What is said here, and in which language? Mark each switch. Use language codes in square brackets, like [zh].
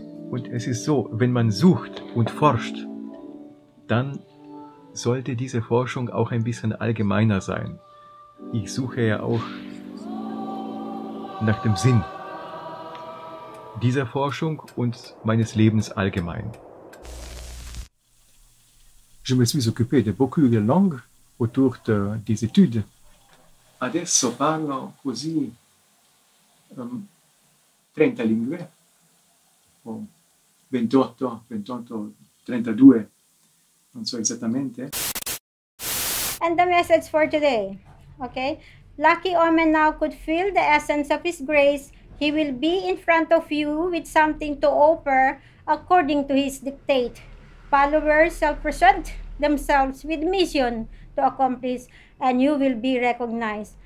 [de] Und es ist so, wenn man sucht und forscht, dann sollte diese Forschung auch ein bisschen allgemeiner sein. Ich suche ja auch nach dem Sinn dieser Forschung und meines Lebens allgemein. [fr] Je me suis occupé de beaucoup de langues autour de des études. [it] Adesso parlo così 30 lingue, o 28, 32, non so esattamente. [en] And the message for today, okay? Lucky Omen now could feel the essence of his grace. He will be in front of you with something to offer according to his dictate. Followers shall present themselves with mission to accomplish, and you will be recognized.